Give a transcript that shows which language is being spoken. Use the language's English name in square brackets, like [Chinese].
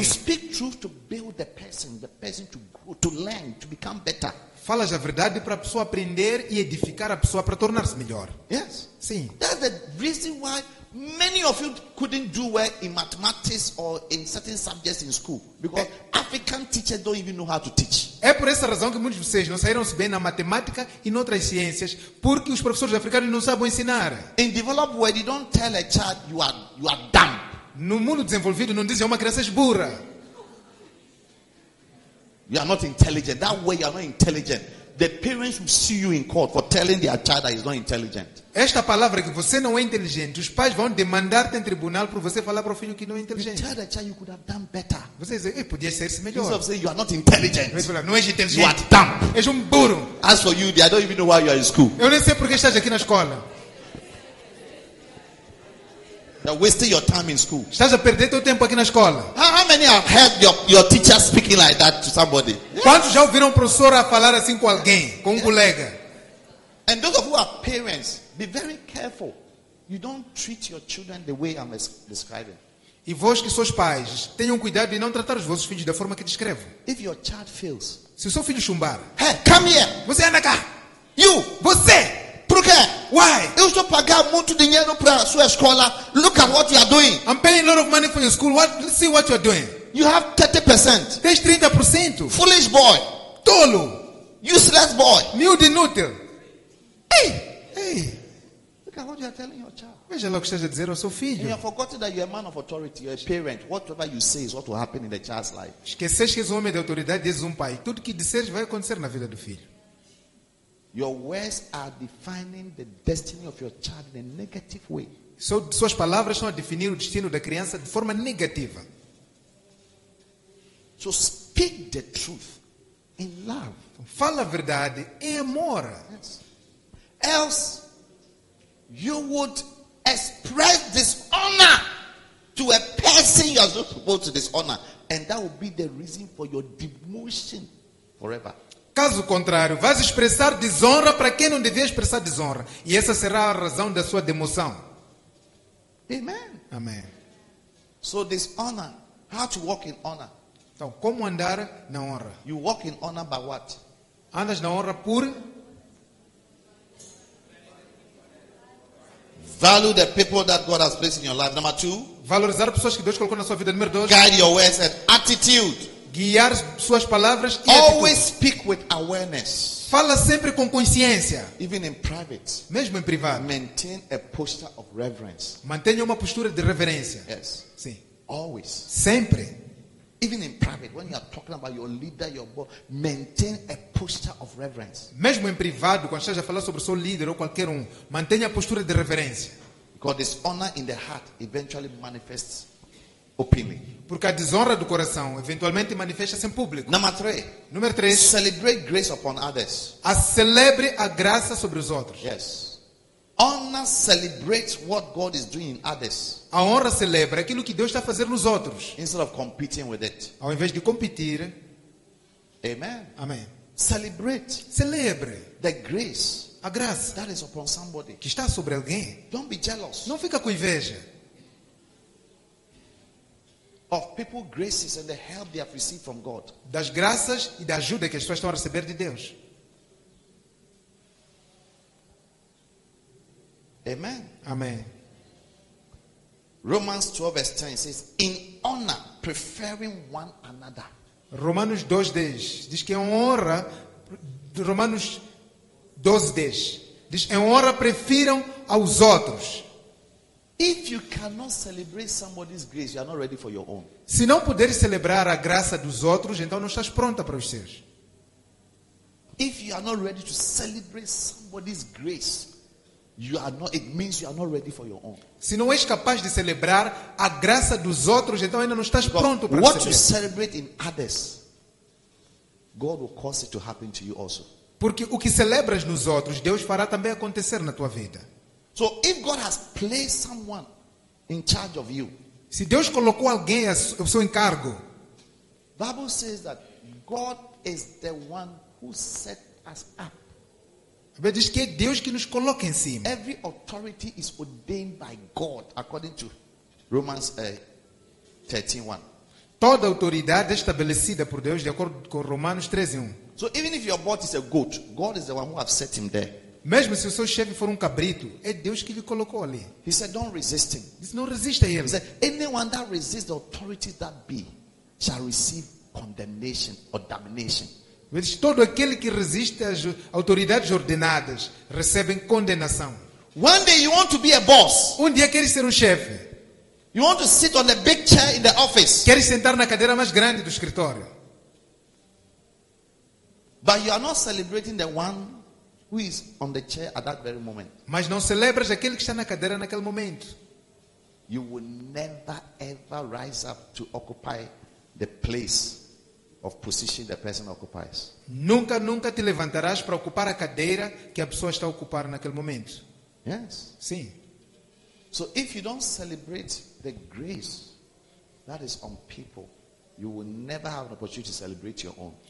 [English] You speak truth to build the person to grow, to learn, to become better. [Portuguese] Falas a verdade para a pessoa aprender e edificar a pessoa para tornar-se melhor. [English] Yes. [Portuguese] Sim. [English] That's the reason why many of you couldn't do well in mathematics or in certain subjects in school because African teachers don't even know how to teach. [Portuguese] É por essa razão que muitos de vocês não saíram bem na matemática e em outras ciências porque os professores africanos não sabem ensinar. [English] In developed world, you don't tell a child you are dumb. [Portuguese] No mundo desenvolvido não dizem a uma criança burra. [English] You are not intelligent. That way you are not intelligent. The parents will see you in court for telling their child that he's not intelligent. [Portuguese] Esta palavra que você não é inteligente, os pais vão demandar-te em tribunal por você falar para o filho que não é inteligente. [English] You tell the child you could have done better. [Portuguese] Você diz, ei, podia ser isso melhor. [English] Instead of saying you are not intelligent. [Portuguese] Não és inteligente. [English] You are dumb. [Portuguese] És burro. [English] As for you, I don't even know why you are in school. [Portuguese] Eu nem sei porque estás aqui na escola. [English] You're wasting your time in school. [Portuguese] Estás a perder teu tempo aqui na escola. [English] How many have heard your teacher speaking like that to somebody? [Portuguese] Quantos já ouviram um professor a falar assim com alguém, com um colega? [English] And those of who are parents, be very careful. You don't treat your children the way I'm describing. [Portuguese] E vós que sois pais, tenham cuidado de não tratar os vossos filhos da forma que descrevo. [English] If your child fails, [Portuguese] se o seu filho chumbar, [English] hey, come here. [Portuguese] Você anda cá. [English] You, [Portuguese] você. Por quê? [English] Why? [Portuguese] Eu estou pagando muito dinheiro para a sua escola. [English] Look at what you are doing. I'm paying a lot of money for your school. What? See what you are doing. You have 30%. [Portuguese] Tens 30%. [English] Foolish boy. [Portuguese] Tolo. [English] Useless boy. New denúter. Hey. Hey. Look at what you are telling your child. [Portuguese] Veja lá o que estás a dizer ao seu filho. [English] And you have forgotten that you are a man of authority, you are a parent. Whatever you say is what will happen in the child's life. [Portuguese] Esqueces que és homem de autoridade, és pai. Tudo que disseres vai acontecer na vida do filho. [English] Your words are defining the destiny of your child in a negative way. [Portuguese] Suas palavras estão a definir o destino da criança de forma negativa. [English] So speak the truth in love. [Portuguese] Fala a verdade em amor. [English] Yes. Else you would express dishonor to a person you are not supposed to dishonor, and that would be the reason for your demotion forever. [Portuguese] Caso contrário, vais expressar desonra para quem não devia expressar desonra. E essa será a razão da sua demoção. [English] Amen. [Portuguese] Amém. [English] So this honor, how to walk in honor? [Portuguese] Então, como andar na honra? [English] You walk in honor by what? [Portuguese] Andas na honra por [English] value the people that God has placed in your life. Number two, [Portuguese] valorizar as pessoas que Deus colocou na sua vida. Número dois, [English] guide your words and attitude. [Portuguese] Guiar suas palavras e [English] always atitude. Speak with awareness. [Portuguese] Fala sempre com consciência. [English] Even in private. [Portuguese] Mesmo em privado. [English] Maintain a posture of reverence. [Portuguese] Mantenha uma postura de reverência. [English] Yes. [Portuguese] Sim. [English] Always. [Portuguese] Sempre. [English] Even in private, when you are talking about your leader, your boss, maintain a posture of reverence. [Portuguese] Mesmo em privado, quando estás a falar sobre o seu líder ou qualquer mantenha a postura de reverência. [English] Because dishonor in the heart eventually manifests openly. [Portuguese] Porque a desonra do coração eventualmente manifesta-se em público. Número 3. [English] Celebrate grace upon others. [Portuguese] A celebre a graça sobre os outros. [English] Yes. Honor celebrates what God is doing in others. [Portuguese] A honra celebra aquilo que Deus está fazendo nos outros. [English] Instead of competing with it. [Portuguese] Ao invés de competir. [English] Amen. [Portuguese] Amém. [English] Celebrate. [Portuguese] Celebre. [English] The grace. [Portuguese] A graça. [English] That is upon somebody. [Portuguese] Que está sobre alguém. [English] Don't be jealous. [Portuguese] Não fica com inveja. [English] Of people's graces and the help they have received from God. [Portuguese] Das graças e da ajuda que as pessoas estão a receber de Deus. [English] Amen. Amen. Romans 12 verse 10 says, in honor, preferring one another. [Portuguese] Romanos 12 10 diz que é honra. Romanos 12 10 diz que é honra prefiram aos outros. [English] If you cannot celebrate somebody's grace, you are not ready for your own. [Portuguese] Se não puderes celebrar a graça dos outros, então não estás pronta para os seus. [English] If you are not ready to celebrate somebody's grace, you are not, it means you are not ready for your own. [Portuguese] Se não és capaz de celebrar a graça dos outros, então ainda não estás [English] Because [Portuguese] pronto para [English] what you celebrate in others, God will cause it to happen to you also. [Portuguese] Porque o que celebras nos outros, Deus fará também acontecer na tua vida. [English] So if God has placed someone in charge of you, [Portuguese] se Deus colocou alguém ao seu encargo, [English] Bible says that God is the one who set us up. [Portuguese] Bem, diz que é Deus que nos coloca em cima. [English] Every authority is ordained by God, according to Romans 13:1. [Portuguese] Toda autoridade é estabelecida por Deus de acordo com Romanos 13:1. [English] So even if your boss is a goat, God is the one who has set him there. [Portuguese] Mesmo se o seu chefe for cabrito, é Deus que lhe colocou ali. [English] He said, "Don't resist him." [Portuguese] Diz, não resista a ele. [English] He said, "Anyone that resists the authority that be shall receive condemnation or damnation." [Portuguese] Diz, todo aquele que resiste às autoridades ordenadas recebe condenação. [English] One day you want to be a boss. [Portuguese] Um dia queres ser chefe. [English] You want to sit on a big chair in the office. [Portuguese] Queres sentar na cadeira mais grande do escritório. [English] But you are not celebrating the one who is on the chair at that very moment. [Portuguese] Mas não celebras aquele que está na cadeira naquele momento. [English] You will never ever rise up to occupy the place of position the person occupies. [Portuguese] Nunca, nunca te levantarás para ocupar a cadeira que a pessoa está a ocupar naquele momento. [English] Yes. [Portuguese] Sim. [English] So if you don't celebrate the grace that is on people, you will never have an opportunity to celebrate your own.